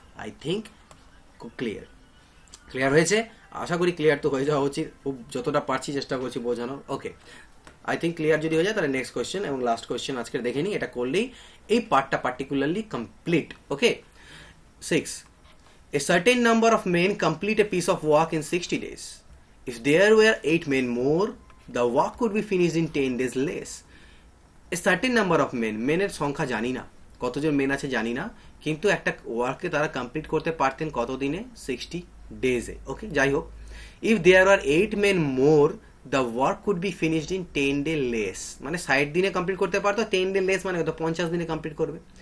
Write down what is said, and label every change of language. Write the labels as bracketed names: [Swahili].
[Bangla] I think খুব clear, clear হয়েছে, আশা করি ক্লিয়ার তো হয়ে যাওয়া উচিত, খুব যতটা পারছি চেষ্টা করছি বোঝানোর। ওকে, আই থিঙ্ক ক্লিয়ার যদি হয়ে যায় তাহলে নেক্সট কোয়েশ্চেন এবং লাস্ট কোয়েশ্চেন আজকে দেখে নিই, এটা করলেই এই পার্টটা particularly complete. Okay, 6, [English] A certain number of men complete a piece of work in 60 days. If there were 8 men more, the work could be finished in 10 days less. A certain number of men, [Bangla] মেনের সংখ্যা জানি না, কতজন main আছে জানি না, কিন্তু একটা ওয়ার্ককে তারা কমপ্লিট করতে পারতেন কতদিনে, 60 ডেজে, ওকে, যাই হোক, [English] if there are 8 men more, the work could be finished in 10 day less, [Bangla] মানে 60 দিনে কমপ্লিট করতে পারতো, 10 ডে লেস মানে কত, 50 দিনে কমপ্লিট করবে।